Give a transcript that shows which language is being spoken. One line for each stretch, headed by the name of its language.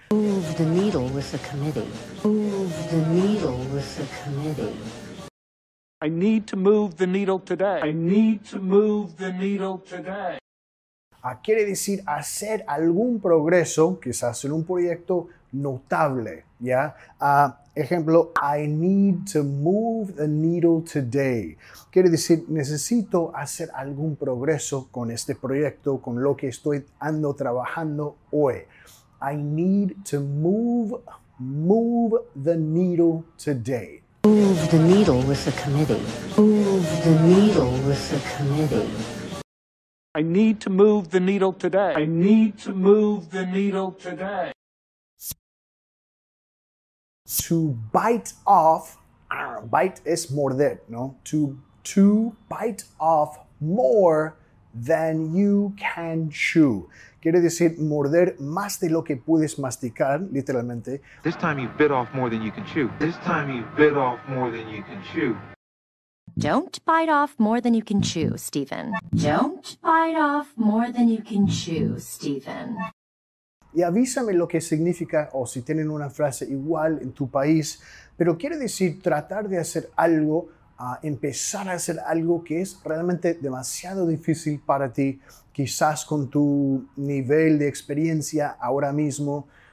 English: Move the needle with the committee. Move the needle with the committee. I need to move the needle today. I need to move the needle today.
Spanish: Quiere decir hacer algún progreso, quizás en un proyecto notable, ¿ya?
English: Ejemplo, I need to move the needle today.
Spanish: Quiere decir, necesito hacer algún progreso con este proyecto, con lo que estoy ando trabajando hoy.
English: I need to move the needle today. Move the needle with the committee. Move the needle with the committee. I need to move the needle today. I need to move the needle today. To bite off, bite
Spanish: es morder, no?
English: To bite off more than you can chew.
Spanish: Quiere decir morder más de lo que puedes masticar, literalmente.
English: This time you bit off more than you can chew. This time you bit off more than you can chew. Don't bite off more than you can chew, Stephen. Don't bite off more than you can chew, Stephen.
Spanish: Y avísame lo que significa o si tienen una frase igual en tu país, pero quiere decir tratar de hacer algo a empezar a hacer algo que es realmente demasiado difícil para ti, quizás con tu nivel de experiencia ahora mismo.